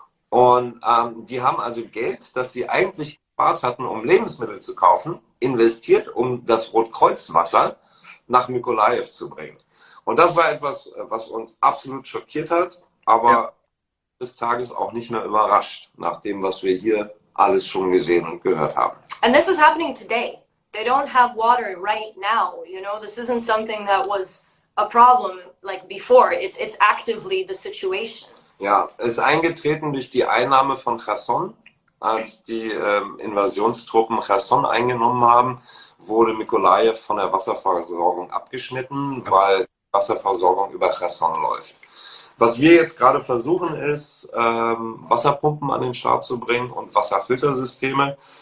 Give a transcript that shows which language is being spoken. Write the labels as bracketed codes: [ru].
[de] Und die haben also Geld, das sie eigentlich gespart hatten, um Lebensmittel zu kaufen, investiert, um das Rotkreuzwasser nach Mykolaiv zu bringen. Und das war etwas, was uns absolut schockiert hat, aber des Tages auch nicht mehr überrascht, nach dem, was wir hier alles schon gesehen und gehört haben. [en] And this is happening today. They don't have water right now. You know, this isn't something that was a problem like before. It's actively the situation. [de] Ja, ist eingetreten durch die Einnahme von Kherson. Als die Invasionstruppen Kherson eingenommen haben, wurde Mykolaiv von der Wasserversorgung abgeschnitten, weil Wasserversorgung über Kherson läuft. Was wir jetzt gerade versuchen ist, Wasserpumpen an den Start zu bringen und Wasserfiltersysteme.